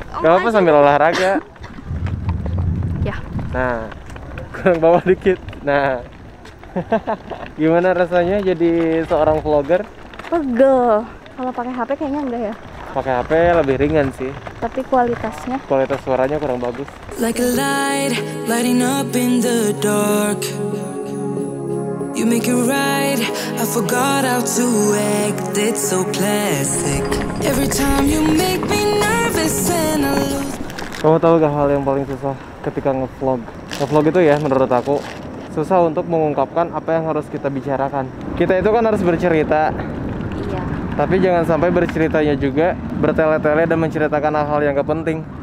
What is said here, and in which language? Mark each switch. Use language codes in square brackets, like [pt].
[id] Gak apa-apa sambil olahraga. Ya. Nah, kurang bawa dikit. Nah, gimana rasanya jadi seorang vlogger? Pegel. Kalau pakai HP kayaknya enggak ya. Pakai HP lebih ringan sih. Tapi kualitasnya? Kualitas suaranya kurang bagus. [en] Like a light lighting up in the dark. You make it right, I forgot how to act, it's so classic. Every time you make me nervous and I lose. [id] Kamu tahu gak hal yang paling susah ketika nge-vlog? Nge-vlog itu ya, menurut aku, susah untuk mengungkapkan apa yang harus kita bicarakan. Kita itu kan harus bercerita. Iya. Tapi jangan sampai berceritanya juga bertele-tele dan menceritakan hal-hal yang gak penting.